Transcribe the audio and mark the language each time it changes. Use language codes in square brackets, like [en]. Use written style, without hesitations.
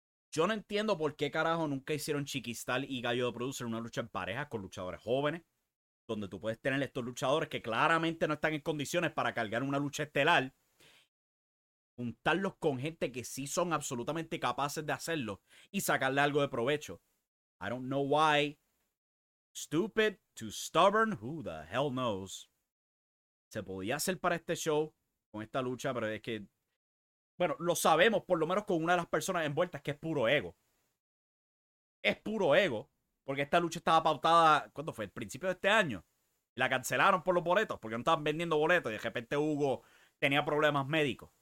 [es] Yo no entiendo por qué carajo nunca hicieron Chiquistal y Gallo de Producer una lucha en pareja con luchadores jóvenes, donde tú puedes tener estos luchadores que claramente no están en condiciones para cargar una lucha estelar, juntarlos con gente que sí son absolutamente capaces de hacerlo y sacarle algo de provecho. [en] I don't know why. Stupid, too stubborn, who the hell knows. [es] Se podía hacer para este show con esta lucha, pero es que, bueno, lo sabemos por lo menos con una de las personas envueltas, que es puro ego. Es puro ego, porque esta lucha estaba pautada, ¿cuándo fue? El principio de este año. La cancelaron por los boletos, porque no estaban vendiendo boletos, y de repente Hugo tenía problemas médicos.